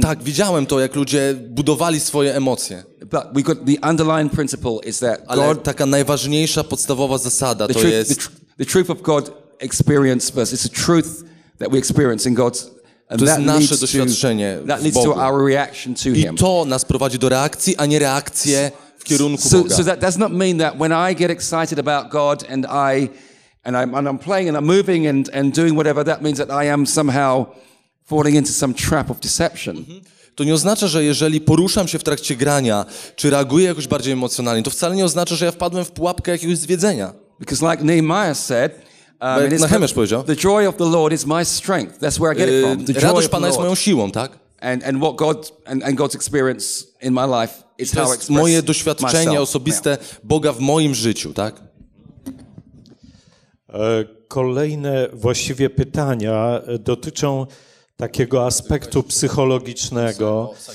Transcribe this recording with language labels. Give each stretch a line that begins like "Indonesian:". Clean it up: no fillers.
Polish: Tak, widziałem to, jak ludzie budowali swoje emocje.
English: But we got the underlying principle is that God.
Polish: Ale taka najważniejsza podstawowa zasada to jest
English: the truth of God experience first. It's a truth that we experience in God's.
Polish: To jest nasze doświadczenie w
English: Bogu. That leads to our reaction to Him.
Polish: I to nas prowadzi do reakcji, a nie reakcje w kierunku Boga.
English: So that does not mean that when I get excited about God and I'm playing and I'm moving and doing whatever, that means that I am somehow falling into some trap of deception.
Polish: To nie oznacza, że jeżeli poruszam się w trakcie grania, czy reaguję jakoś bardziej emocjonalnie, to wcale nie oznacza, że ja wpadłem w pułapkę jakiegoś zwiedzenia.
English: Because like Nehemiah said,
Polish: Nehemiah powiedział,
English: the joy of the Lord is my strength. That's where I get it from. The joy
Polish: radość Pana jest moją siłą, tak?
English: And what God and God's experience in my life is how I express myself.
Polish: Moje doświadczenie osobiste Boga w moim życiu, tak? Kolejne właściwie pytania dotyczą takiego aspektu psychologicznego.